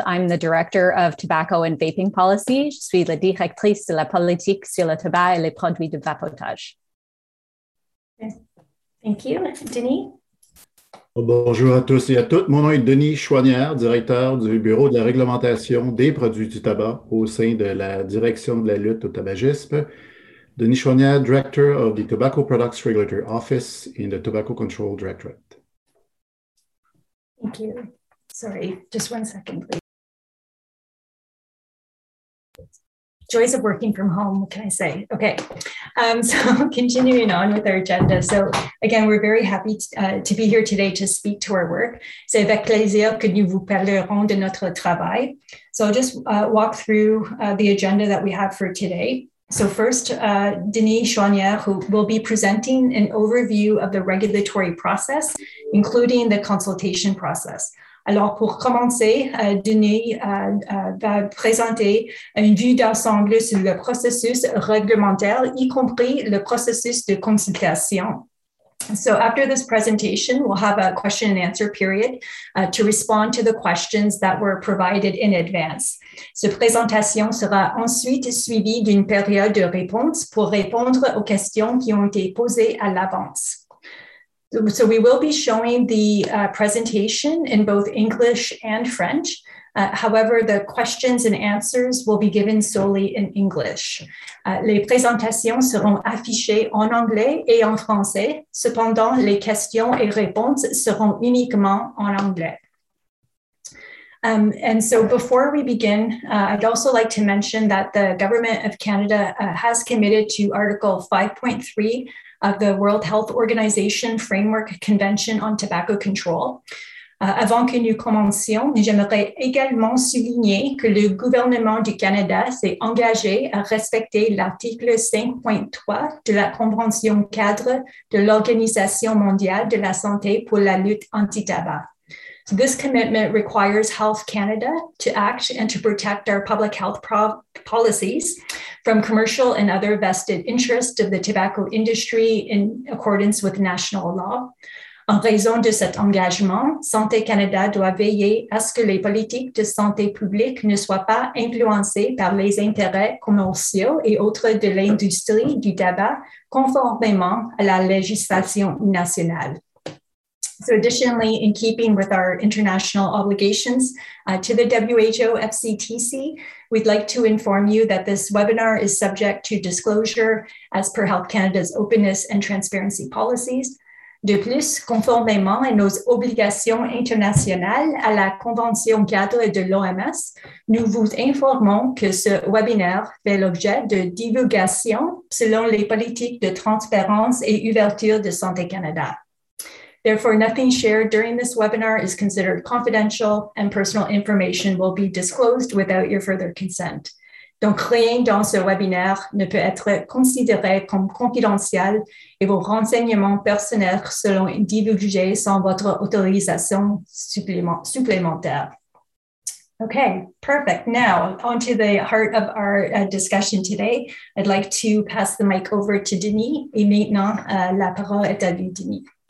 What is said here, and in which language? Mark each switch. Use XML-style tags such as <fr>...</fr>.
<en>I'm the Director of Tobacco and Vaping Policy.</en> <fr>Je suis la directrice de la politique sur le tabac et les produits de vapotage.</fr> <en>Thank you. Denis?</en> <fr>Oh, bonjour à tous et à toutes. Mon nom est Denis Chouanière, directeur du Bureau de la réglementation des produits du tabac au sein de la Direction de la lutte au tabagisme.</fr> <en>Denis Chouanière, Director of the Tobacco Products Regulatory Office in the Tobacco Control Directorate. Thank you. Sorry, just one second, please. joys of working from home, what can I say? Okay, so continuing on with our agenda. So again, we're very happy to be here today to speak to our work.</en> <fr>C'est avec plaisir que nous vous parlerons de notre travail.</fr> <en>So I'll just walk through the agenda that we have for today. So first, Denis Chouanière, who will be presenting an overview of the regulatory process, including the consultation process.</en> <fr>Alors, pour commencer, Denis va présenter une vue d'ensemble sur le processus réglementaire, y compris le processus de consultation.</fr> <en>So after this presentation, we'll have a question and answer period to respond to the questions that were provided in advance.</en> <fr>Cette présentation sera ensuite suivie d'une période de réponse pour répondre aux questions qui ont été posées à l'avance.</fr> <en>So we will be showing the presentation in both English and French. However, the questions and answers will be given solely in English.</en> <fr>Les présentations seront affichées en anglais et en français. Cependant, les questions et réponses seront uniquement en anglais.</fr> <en>And so before we begin, I'd also like to mention that the Government of Canada has committed to Article 5.3 of the World Health Organization Framework Convention on Tobacco Control.</en> <fr>Avant que nous commencions, j'aimerais également souligner que le gouvernement du Canada s'est engagé à respecter l'article 5.3 de la Convention cadre de l'Organisation mondiale de la santé pour la lutte anti-tabac.</fr> <en>So this commitment requires Health Canada to act and to protect our public health policies from commercial and other vested interests of the tobacco industry in accordance with national law.</en> <fr>En raison de cet engagement, Santé Canada doit veiller à ce que les politiques de santé publique ne soient pas influencées par les intérêts commerciaux et autres de l'industrie du tabac conformément à la législation nationale.</fr> <en>So additionally, in keeping with our international obligations to the WHO-FCTC, we'd like to inform you that this webinar is subject to disclosure as per Health Canada's openness and transparency policies.</en> <fr>De plus, conformément à nos obligations internationales à la Convention cadre de l'OMS, nous vous informons que ce webinaire fait l'objet de divulgation selon les politiques de transparence et ouverture de Santé Canada.</fr> <en>Therefore, nothing shared during this webinar is considered confidential and personal information will be disclosed without your further consent.</en> <fr>Donc, rien dans ce webinaire ne peut être considéré comme confidentiel et vos renseignements personnels seront divulgués sans votre autorisation supplémentaire.</fr> <en>Okay, perfect. Now, onto the heart of our discussion today, I'd like to pass the mic over to Denis.</en> <fr>Et maintenant, la parole est à vous, Denis.</fr>